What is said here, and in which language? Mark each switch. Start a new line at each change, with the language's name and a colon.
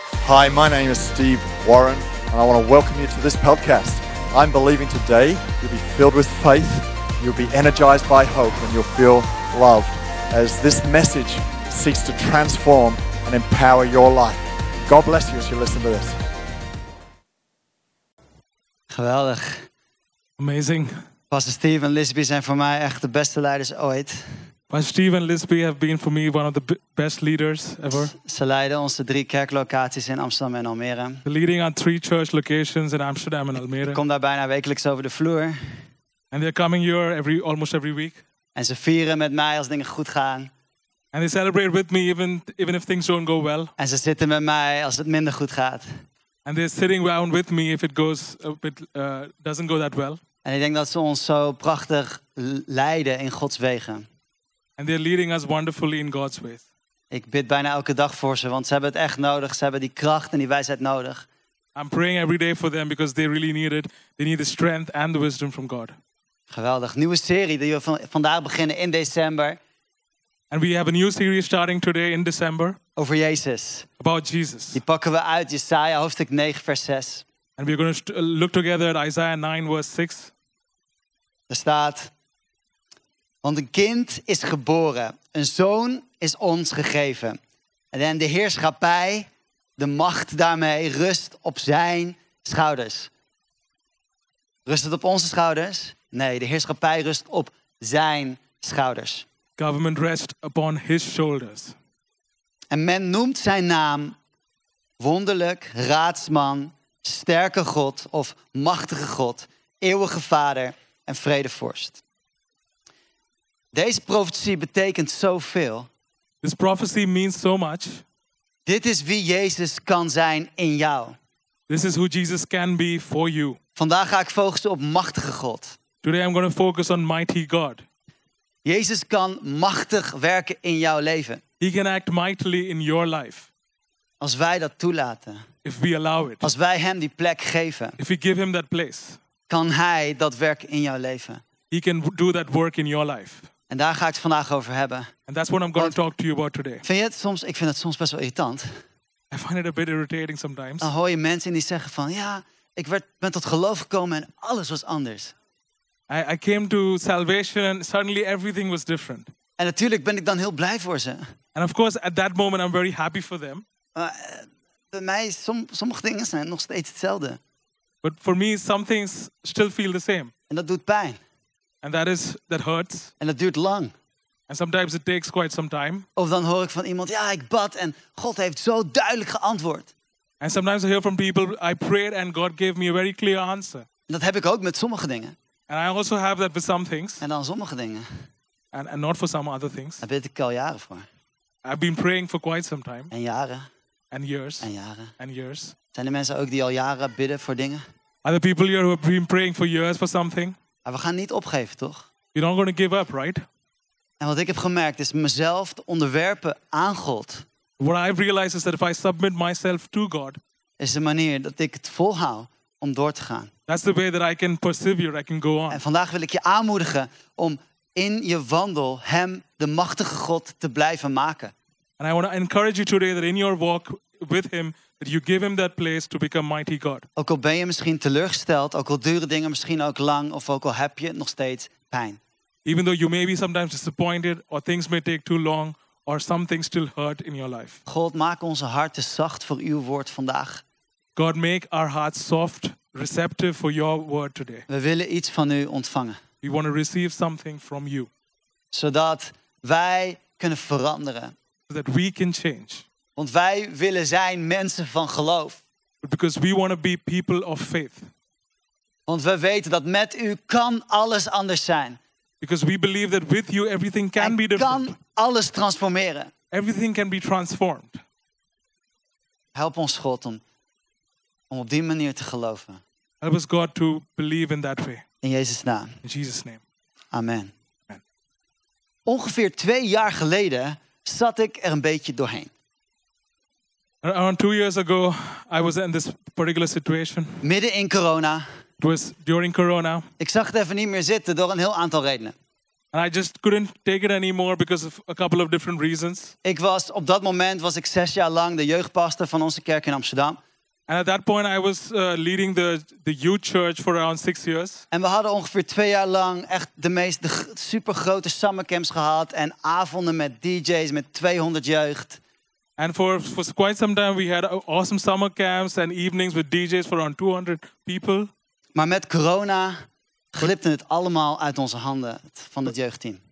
English: Hi, my name is Steve Warren, and I want to welcome you to this podcast. I'm believing today you'll be filled with faith, you'll be energized by hope, and you'll feel loved as this message seeks to transform and empower your life. God bless you as you listen to this.
Dutch: Geweldig.
English: Amazing.
Dutch: Pastor Steve and Lisby zijn voor mij echt de beste leiders ooit.
English: Pastor Steve and Lisby have been for me one of the best leaders ever.
Dutch: Ze leiden onze drie kerklocaties in Amsterdam en Almere.
English: They're leading on three church locations in Amsterdam and Almere.
Dutch: Ik kom daar bijna wekelijks over de vloer.
English: And they're coming here almost every week.
Dutch: En ze vieren met mij als dingen goed gaan.
English: And they celebrate with me even if things don't go well.
Dutch: En ze zitten met mij als het minder goed gaat.
English: And they're sitting around with me if it goes a bit, doesn't go that well.
Dutch: En ik denk dat ze ons zo prachtig leiden in Gods wegen.
English: And they're leading us wonderfully in God's ways.
Dutch: Ik bid bijna elke dag voor ze, want ze hebben het echt nodig. Ze hebben die kracht en die wijsheid nodig.
English: I'm praying every day for them because they really need it. They need the strength and the wisdom from God.
Dutch: Geweldig. Nieuwe serie die we vandaag beginnen in december.
English: And we have a new series starting today in December.
Dutch: Over Jezus.
English: About Jesus.
Dutch: Die pakken we uit Jesaja hoofdstuk 9 vers 6.
English: And we're going to look together at Isaiah 9 verse 6.
Dutch: Daar staat: want een kind is geboren, een zoon is ons gegeven. En de heerschappij, de macht daarmee, rust op zijn schouders. Rust het op onze schouders? Nee, de heerschappij rust op zijn schouders.
English: Government rest upon his shoulders.
Dutch: En men noemt zijn naam wonderlijk, raadsman, sterke God of machtige God, eeuwige vader en vredevorst. Deze profetie betekent zoveel.
English: This prophecy means so much.
Dutch: Dit is wie Jezus kan zijn in jou.
English: This is who Jesus can be for you.
Dutch: Vandaag ga ik focussen op machtige God.
English: Today I'm going to focus on mighty God.
Dutch: Jezus kan machtig werken in jouw leven.
English: He can act mightily in your life.
Dutch: Als wij dat toelaten.
English: If we allow it.
Dutch: Als wij hem die plek geven.
English: If we give him that place.
Dutch: Kan hij dat werk in jouw leven.
English: He can do that work in your life.
Dutch: En daar ga ik het vandaag over hebben.
English: And that's what I'm going to talk to you about today.
Dutch: Ik vind het soms best wel irritant.
English: I find it a bit irritating sometimes.
Dutch: Dan hoor je mensen die zeggen van: ja, ik ben tot geloof gekomen en alles was anders.
English: I came to salvation and suddenly everything was different.
Dutch: En natuurlijk ben ik dan heel blij voor ze.
English: And of course at that moment I'm very happy for them.
Dutch: Maar bij mij sommige dingen zijn nog steeds hetzelfde.
English: But for me some things still feel the same.
Dutch: En dat doet pijn.
English: And that hurts.
Dutch: En dat duurt lang.
English: And sometimes it takes quite some time.
Dutch: Of dan hoor ik van iemand: ja, ik bad en God heeft zo duidelijk geantwoord.
English: And sometimes I hear from people: I prayed and God gave me a very clear answer.
Dutch: En dat heb ik ook met sommige dingen.
English: And I also have that with some things.
Dutch: En dan sommige dingen.
English: And not for some other things.
Dutch: Daar bid ik al jaren voor.
English: I've been praying for quite some time.
Dutch: En jaren.
English: And years.
Dutch: En jaren.
English: And years.
Dutch: Zijn er mensen ook die al jaren bidden voor dingen?
English: Are there people here who have been praying for years for something?
Dutch: We gaan niet opgeven, toch?
English: You're not going to give up, right?
Dutch: En wat ik heb gemerkt is mezelf te onderwerpen aan God.
English: What I've realized is that if I submit myself to God,
Dutch: is de manier dat ik het volhoud om door te gaan.
English: That's the way that I can persevere, I can go on.
Dutch: En vandaag wil ik je aanmoedigen om in je wandel hem, de machtige God, te blijven maken.
English: And I want to encourage you today that in your walk with him, that you give him that place to become mighty God.
Dutch: Ook al ben je misschien teleurgesteld, ook al duren dingen misschien ook lang, of ook al heb je nog steeds pijn.
English: Even though you may be sometimes disappointed, or things may take too long, or some things still hurt in your life.
Dutch: God, maak onze harten zacht voor uw woord vandaag.
English: God, make our hearts soft, receptive for your word today.
Dutch: We willen iets van u ontvangen.
English: We want to receive something from you.
Dutch: Zodat wij kunnen veranderen.
English: So that we can change.
Dutch: Want wij willen zijn mensen van geloof.
English: Because we want to be people of faith.
Dutch: Want we weten dat met u kan alles anders zijn.
English: Because we believe that with you everything can be different.
Dutch: Kan alles transformeren.
English: Everything can be transformed.
Dutch: Help ons God om op die manier te geloven.
English: Help us God to believe in that way.
Dutch: In Jezus naam.
English: In Jesus name. Amen. Amen.
Dutch: Ongeveer 2 jaar geleden zat ik er een beetje doorheen.
English: Around 2 years ago, I was in this particular situation.
Dutch: Midden in corona.
English: It was during corona.
Dutch: Ik zag het even niet meer zitten door een heel aantal redenen.
English: And I just couldn't take it anymore because of a couple of different reasons.
Dutch: Ik was, op dat moment was ik 6 jaar lang de jeugdpastor van onze kerk in Amsterdam.
English: And at that point I was leading the youth church for around 6 years.
Dutch: En we hadden ongeveer 2 jaar lang echt de supergrote summercamps gehad en avonden met DJ's met 200 jeugd.
English: And for quite some time we had awesome summer camps and evenings with DJs for around 200 people.
Dutch: Maar met corona glipte het allemaal uit onze handen van het jeugdteam.